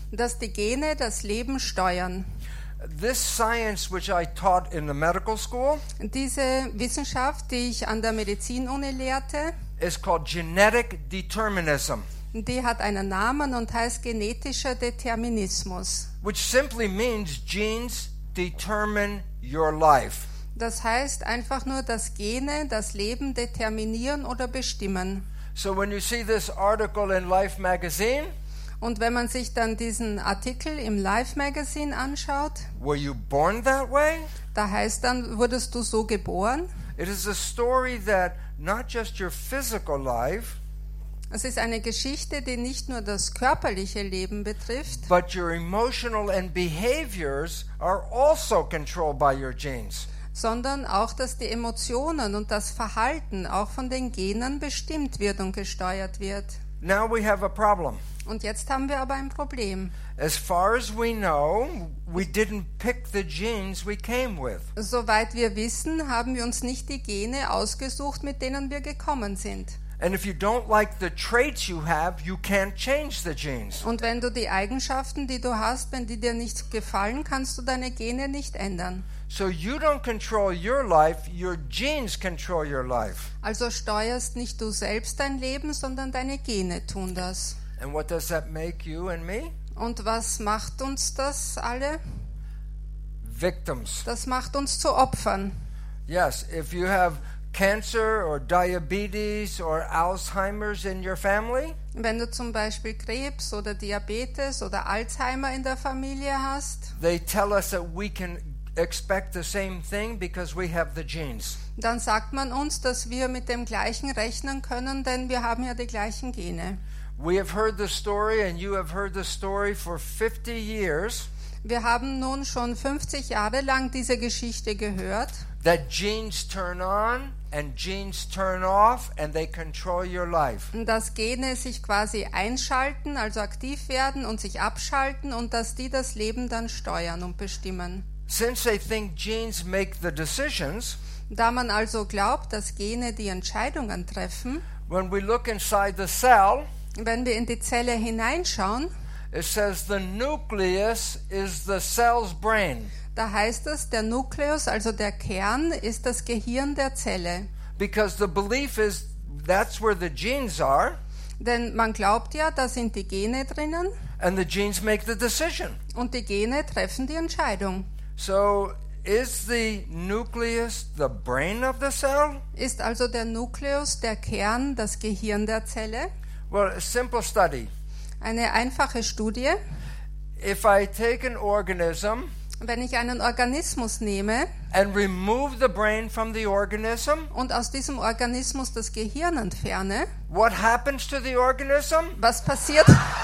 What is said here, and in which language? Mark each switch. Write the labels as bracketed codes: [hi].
[de] Dass die Gene das Leben steuern. [en] This science which I taught in the medical school, [de] diese Wissenschaft, die ich an der Medizinuni lehrte, [en] is called genetic determinism. [de] Die hat einen Namen und heißt genetischer Determinismus. [en] Which simply means genes determine your life. [de] Das heißt einfach nur, dass Gene das Leben determinieren oder bestimmen. [en] So when you see this article in Life magazine, [de] und wenn man sich dann diesen Artikel im Life Magazine anschaut, [en] were you born that way? [de] Da heißt dann, wurdest du so geboren? [en] It is a story that not just your physical life, [de] es ist eine Geschichte, die nicht nur das körperliche Leben betrifft, [en] but your emotional and behaviors are also controlled by your genes. [de] Sondern auch, dass die Emotionen und das Verhalten auch von den Genen bestimmt wird und gesteuert wird. [en] Now we have a problem. [de] Und jetzt haben wir aber ein Problem. [en] As far as we know, we didn't pick the genes we came with. [de] Soweit wir wissen, haben wir uns nicht die Gene ausgesucht, mit denen wir gekommen sind. [en] And if you don't like the traits you have, you can't change the genes. [de] Und wenn du die Eigenschaften, die du hast, wenn die dir nicht gefallen, kannst du deine Gene nicht ändern. [en] So you don't control your life, your genes control your life. [de] Also steuerst nicht du selbst dein Leben, sondern deine Gene tun das. [en] And what does that make you and me? [de] Und was macht uns das alle? [en] Victims. [de] Das macht uns zu Opfern. [en] Yes, if you have cancer or diabetes or Alzheimer's in your family. [de] Wenn du zum Beispiel Krebs oder Diabetes oder Alzheimer in der Familie hast. [en] They tell us that we can expect the same thing because we have the genes. [de] Dann sagt man uns, dass wir mit dem gleichen rechnen können, denn wir haben ja die gleichen Gene. [en] We have heard the story and you have heard the story for 50 years. [de] Wir haben nun schon 50 Jahre lang diese Geschichte gehört. [en] That genes turn on and genes turn off and they control your life. [de] Dass Gene sich quasi einschalten, also aktiv werden und sich abschalten und dass die das Leben dann steuern und bestimmen. [en] Since they think genes make the decisions, [de] da man also glaubt, dass Gene die Entscheidungen treffen, [en] when we look inside the cell, [de] wenn wir in die Zelle hineinschauen, [en] it says the nucleus is the cell's brain. [de] Da heißt es, der Nukleus, also der Kern, ist das Gehirn der Zelle. [en] Because the belief is that's where the genes are. [de] Denn man glaubt ja, da sind die Gene drinnen. [en] And the genes make the decision. [de] Und die Gene treffen die Entscheidung. [en] So is the nucleus the brain of the cell? [de] Ist also der Nukleus, der Kern, das Gehirn der Zelle? [en] Well, a simple study. [de] Eine einfache Studie. [en] If I take an organism, [de] Wenn ich einen Organismus nehme [en] and remove the brain from the organism, [de] und aus diesem Organismus das Gehirn entferne, [en] what happens to the organism? [de] Was passiert? [en] Okay.